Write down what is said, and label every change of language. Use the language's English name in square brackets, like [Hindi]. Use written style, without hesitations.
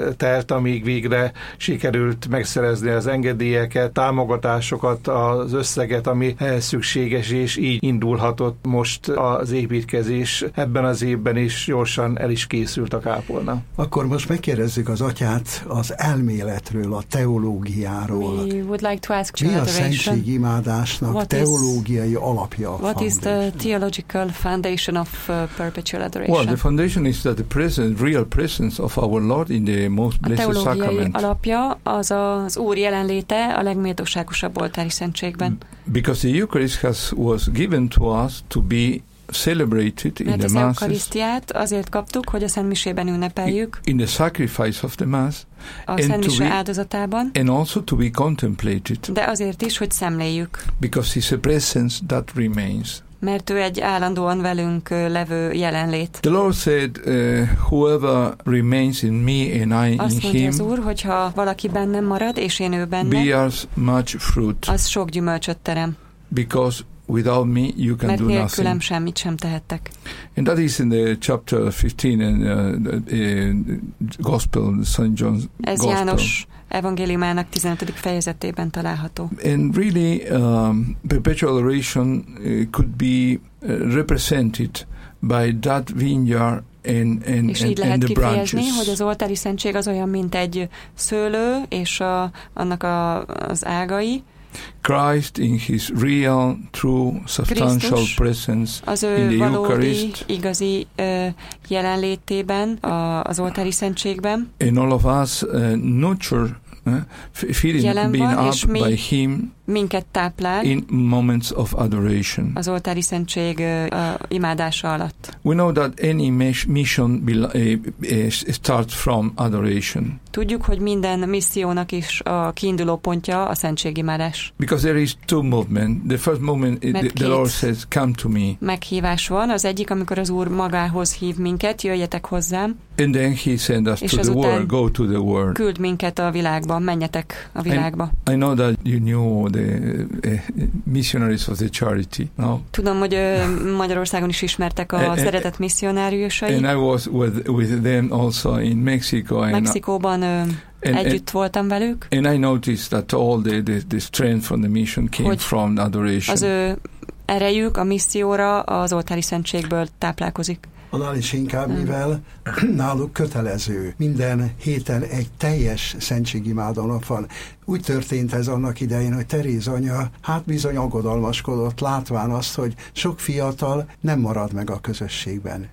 [Hungarian] telt, amíg végre sikerült megszerezni az engedélyeket, támogatásokat, az összeget, ami szükséges, és így indulhatott most az építkezés. Ebben az évben is gyorsan el is készült a kápolna. Akkor most megkérdezzük az atyát az elméletről, a teológiáról. [English] We would like to ask [Hungarian] mi a szentségimádásnak teológiai alapja? [English] What is the theological foundation of perpetual adoration? Well, the foundation is that the presence, real presence of our Lord in the most blessed sacrament. [Hungarian] A teológiai alapja az az Úr jelenléte a legméltóságosabb oltári szentségben. [English] Because the Eucharist was given to us to be celebrated in the masses. [Hungarian] Mert az eukarisztiát azért kaptuk, hogy a szentmisében ünnepeljük. [English] In the sacrifice of the mass. [Hungarian] A szentmise áldozatában. [English] And also to be contemplated. [Hungarian] De azért is, hogy szemléljük. [English] Because it's a presence that remains. [Hungarian] Mert ő egy állandóan velünk levő jelenlét. [English] The Lord said, whoever remains in me and I in him. [Hungarian] Azt mondja az Úr, hogyha valaki bennem marad és én ő benne. [English] Bears much fruit. [Hungarian] Az sok gyümölcsöt terem. [English] Because without me you can [Hungarian] mert [English] do nothing. [Hungarian] Nélkülem semmit sem tehettek. [English] And that is in the chapter 15 in the Gospel, St. John's [Hungarian] ez [English] Gospel. [Hungarian] János evangéliumának 15. fejezetében található. [English] And really perpetual adoration could be represented by that vineyard and [Hungarian] és így lehet [English] and the branches. [Hungarian] Kifejezni, hogy az oltári szentség az olyan, mint egy szőlő és annak az ágai. [English] Christ in his real, true, substantial [Hungarian] Krisztus [English] presence [Hungarian] az ő [English] in the [Hungarian] valódi, [English] Eucharist, [Hungarian] igazi jelenlétében az oltári szentségben. [English] And all of us nurture, feeling [Hungarian] jelen [English] being [Hungarian] van, [English] up [Hungarian] mi, [English] by him [Hungarian] minket táplál [English] in moments of adoration. [Hungarian] Az oltári szentség imádása alatt. [English] We know that any mission starts from adoration. [Hungarian] Tudjuk, hogy minden missziónak is a kiinduló pontja a szentségimádás. [English] Because there is two movement. The first moment the Lord says, come to me. [Hungarian] Meghívás van. Az egyik, amikor az Úr magához hív minket, jöjjetek hozzám. [English] And then he sent us to the world, go to the world. [Hungarian] Küld minket a világba, menjetek a világba. [English] I know that you knew the missionaries of the charity, no? [Hungarian] Tudom, hogy Magyarországon is ismertek a szeretett misszionáriusai. [English] And I was with them also in Mexico. [Hungarian] Mexikóban együtt voltam velük. [English] And I noticed that all the strength from the mission came from adoration. [Hungarian] Az erejük a misszióra az oltári szentségből táplálkozik. Annál is inkább, mivel náluk kötelező. Minden héten egy teljes szentségimádó nap van. Úgy történt ez annak idején, hogy Teréz anya hát bizony aggodalmaskodott, látván azt, hogy sok fiatal nem marad meg a közösségben.